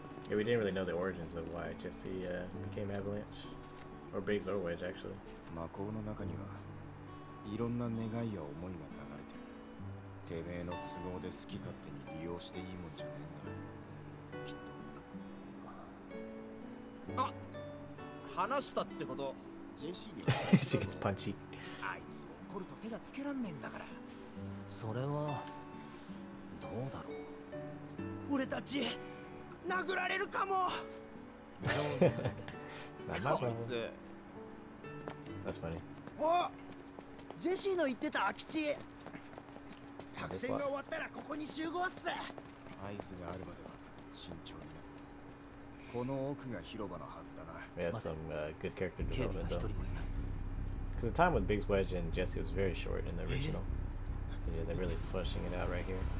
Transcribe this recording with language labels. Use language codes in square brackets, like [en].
[en] Yeah, we didn't really know the origins of why Jessie became Avalanche. Or Biggs or Wedge, actually. [ja] 魔法の中にはいろんな願いや思いが流れてる。てめえの都合で好き勝手に利用していいもんじゃねえんだ。きっと。あ、話したってこと。ジェシーには [en] 。 She gets punchy. [ja] あいつ怒ると手がつけらんねえんだから。それはどうだろう。俺たち殴られるかも。なんだこいつ。 [en] That's funny. [ja] お、ジェシーの言ってた空き地。作戦が終わったらここに集合っす。合図があるまでは慎重にな。この奥が広場のはずだな。 [en] We have some good character development though. Because the time with Biggs, Wedge, and Jessie was very short in the original. Yeah, they're really flushing it out right here.